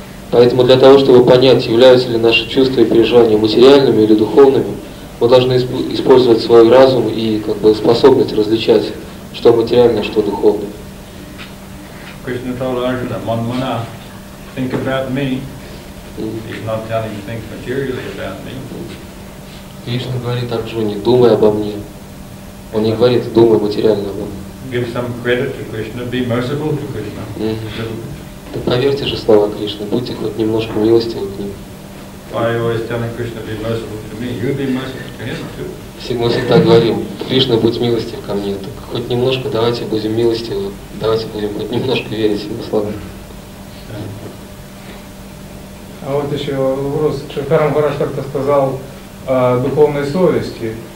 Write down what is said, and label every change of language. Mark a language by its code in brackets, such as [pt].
[ru] Поэтому для того, чтобы понять, являются ли наши чувства и переживания материальными или духовными, мы должны использовать свой разум и как бы способность различать, что материально, что духовно. [en] Krishna told Arjuna, Manmana, think about me. He's not telling you think materially about me. [ru] Кришна говорит Арджуне, думай обо мне. Он не говорит, думай материально обо мне. [en] Give some credit to Krishna, be merciful to Krishna. [ru] Так поверьте же слова Кришны, будьте хоть немножко милостивы к ним. [en] Why are you always telling Krishna, be merciful to me? You be merciful to him too. [ru] Мы всегда говорим, Кришна, будь милостив ко мне. Так хоть немножко давайте будем милостивы. Давайте будем хоть немножко верить ему словам. А вот еще вопрос. Шакарам Бараш как-то сказал о духовной совести.